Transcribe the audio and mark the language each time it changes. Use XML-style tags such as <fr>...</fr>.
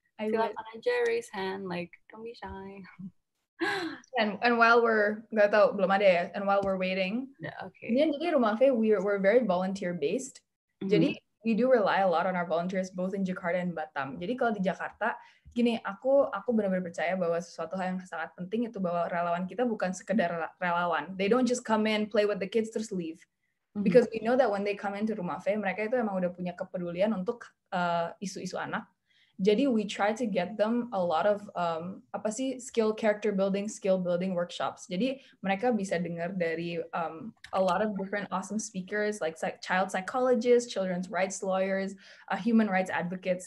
<id>Silakan aja</id> <en>raise hand, like, don't be shy. And while we're</en> <id>nggak tahu belum ada ya,</id> <en>and while we're waiting, yeah, okay. Jadi Rumah Faye, we're very volunteer based. Mm-hmm. Jadi we do rely a lot on our volunteers both in Jakarta and Batam.</en> <id>Jadi kalau di Jakarta, gini, aku benar-benar percaya bahwa sesuatu hal yang sangat penting itu bahwa relawan kita bukan sekedar relawan.</id> <en>They don't just come in, play with the kids, terus leave. Mm-hmm. Because we know that when they come into Rumah Faye,</en> <id>mereka itu emang udah punya kepedulian untuk isu-isu anak.</id> <en>Jadi we try to get them a lot of skill building workshops.</en> <id>Jadi mereka bisa dengar dari</id> <en>a lot of different awesome speakers like child psychologists, children's rights lawyers, human rights advocates.</en>